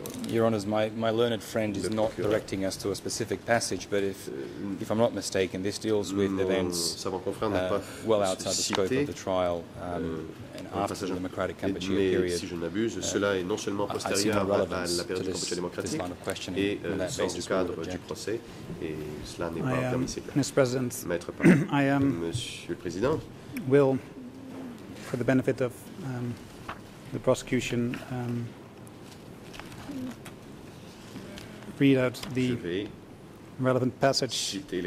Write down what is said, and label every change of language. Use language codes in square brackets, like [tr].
[en] Your Honours, my learned friend is not directing us to a specific passage, but if I'm not mistaken, this deals with events well outside the scope of the trial and after the democratic Cambodia period. [fr] Cela est non seulement postérieur à la période de Cambodia démocratique et sort du cadre du procès, et cela n'est pas permissible. [en] Mr. President, I am [fr] Monsieur le Président. [en] Will, for the benefit of the prosecution, read out the relevant passage